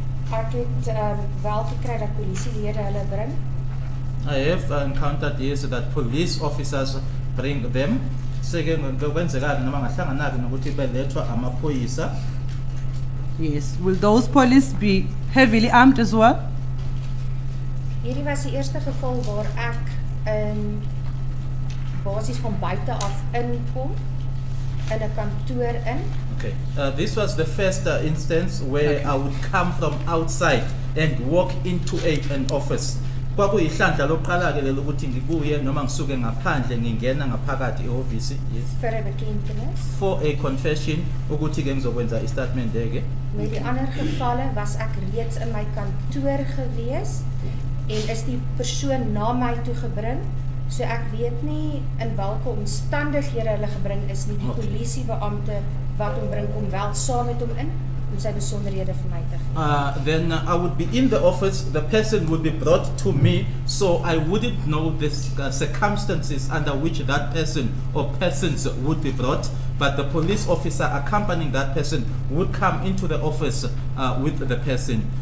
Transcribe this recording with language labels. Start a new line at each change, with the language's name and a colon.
English: I have encountered this, that police officers bring them. Yes, will those police be heavily armed as well?
Afrikaans: Hierdie was die eerste geval waar ek in basis van buite af inkom in 'n kantoor in.
English: Okay. This was the first instance where okay. I would come from outside and walk into an office.
Zulu: Kwaku ihlandla lokuqala ke lelo ukuthi ngibuye noma ngisuke ngaphandle ngingena ngaphakathi ehhovisi. Yes.
English: For a bekentenis. For a confession
Zulu: ukuthi ke ngizokwenza
English: statement there ke.
Afrikaans: Met die ander gevalle was ek reeds in my kantoor gewees. En is die persoon na my toe gebring, so ek weet nie in welke omstandighede hulle gebring is nie. Die polisiebeampte wat hom bring kom wel saam met hom in om sy besonderhede vir my te gee.
English: Then I would be in the office, the person would be brought to me, so I wouldn't know the circumstances under which that person or persons would be brought, but the police officer accompanying that person would come into the office with the person.